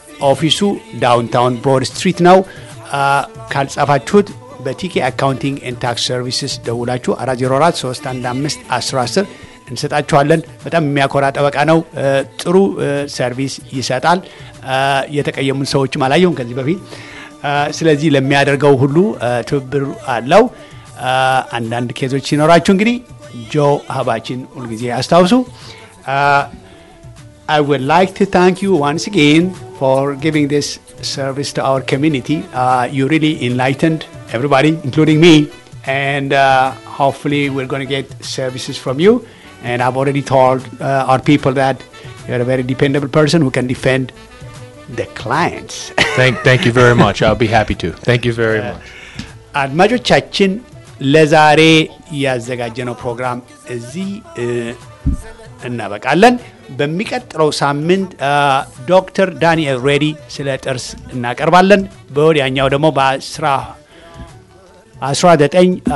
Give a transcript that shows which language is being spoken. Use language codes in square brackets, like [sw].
[am] ኦፊሱ ዳውንታውን ብሮድ ስትሪት ነው። ካልጻፋችሁት በቲኬ አካውንቲንግ ኤንድ ታክስ ሰርቪስስ ደውላችሁ 404-315-1010 እንሰጣችኋለን። በጣም የሚያኮራ ጠበቃ ነው። ጥሩ ሰርቪስ ይሰጣል። የተቀየሙን ሰዎች ማላየውን ከዚህ በፊት ስለዚህ ለሚያደርገው ሁሉ ትብብር አለው። አንዳንድ ኬዞች ይኖራችሁ እንግዲህ ጆ አባቺን ሁልጊዜ አስታውሱ። [en] I would like to thank you once again for giving this service to our community. You really enlightened everybody, including me. And hopefully we're going to get services from you. And I've already told our people that you're a very dependable person who can defend the clients. thank you very much. I'll be happy to. Thank you very much. [am] አድማጆ ቻችን ለዛሬ ያዘጋጀነው ፕሮግራም እዚ እናበቃለን። በሚቀጥለው ሳምንት ዶክተር ዳንኤል ሬዲ ስለ ጥርስ እናቀርባለን። በወዲያኛው ደግሞ በአስራ ደጠኝ